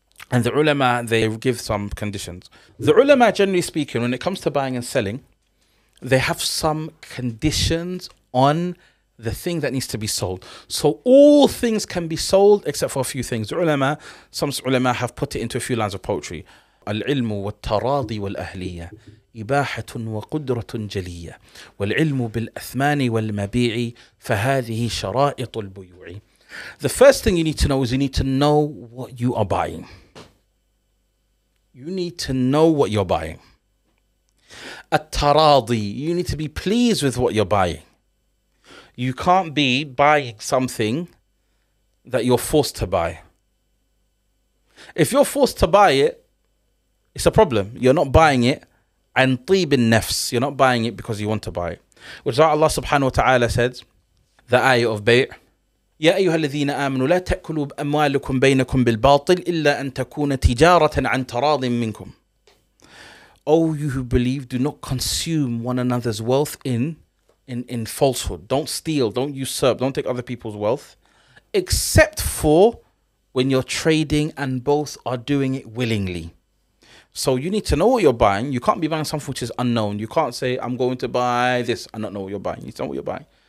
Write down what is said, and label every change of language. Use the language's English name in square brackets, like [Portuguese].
[English] And the ulama, they give some conditions. The ulama, generally speaking, when it comes to buying and selling, they have some conditions on the thing that needs to be sold. So all things can be sold except for a few things. The ulama, some ulama have put it into a few lines of poetry. [Arabic] العلم والتراضي والأهلية إباحة وقدرة جلية والعلم بالأثمان والمبيع فهذه شرائط البيوع. [English] The first thing you need to know is you need to know what you are buying. You need to know what you're buying. At-taradi, you need to be pleased with what you're buying. You can't be buying something that you're forced to buy. If you're forced to buy it, it's a problem. You're not buying it. And [Arabic] طيب النفس, [English] you're not buying it because you want to buy it. Which is why Allah subhanahu wa ta'ala says, the ayah of bay'. [Arabic] يا أيها الذين آمنوا لا تأكلوا أموالكم بينكم بالباطل إلا أن تكون تجارة عن تراض منكم. [English] Oh, you who believe, do not consume one another's wealth in falsehood. Don't steal, don't usurp, don't take other people's wealth, except for when you're trading and both are doing it willingly. So you need to know what you're buying. You can't be buying something which is unknown. You can't say, I'm going to buy this and not know what you're buying. You need to know what you're buying.